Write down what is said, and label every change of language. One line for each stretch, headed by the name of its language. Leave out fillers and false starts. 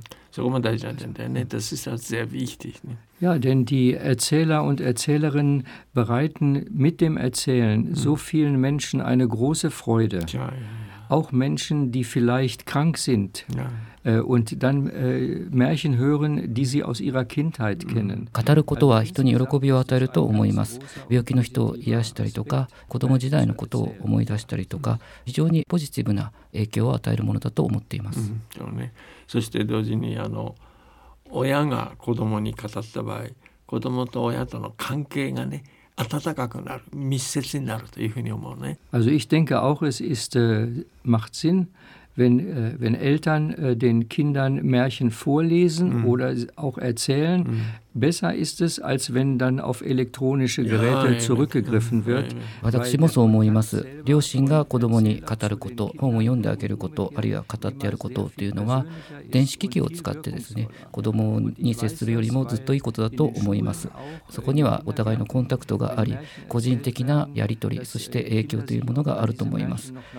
Japanese: そこも大事なんだよね。
German: Das ist auch sehr wichtig. Ja, denn die Erzähler und Erzählerinnen bereiten mit dem Erzählen so vielen Menschen eine große Freude. Ja, ja, ja. Auch Menschen, die vielleicht krank sind und dann Märchen hören, die sie aus ihrer Kindheit kennen.
Japanese: 語ることは人に喜びを与えると思います。病気の人を癒したりとか、子供時代のことを思い出したりとか、非常にポジティブな影響を与えるものだと思っています。そうね。そして同時に親が子供に語った場合、子供と親との関係がね、
German: Also ich denke auch, es ist, macht Sinn, wenn Eltern den Kindern Märchen vorlesen oder auch erzählen. Besser ist es, als wenn dann auf elektronische Geräte zurückgegriffen wird.
Japanese: 私もそう思います。両親が子供に語ること、本を読んであげること、あるいは語ってやることというのは、電子機器を使ってですね、子供に接するよりもずっといいことだと思います。そこにはお互いのコンタクトがあり、個人的なやり取り、そして影響というものがあると思います。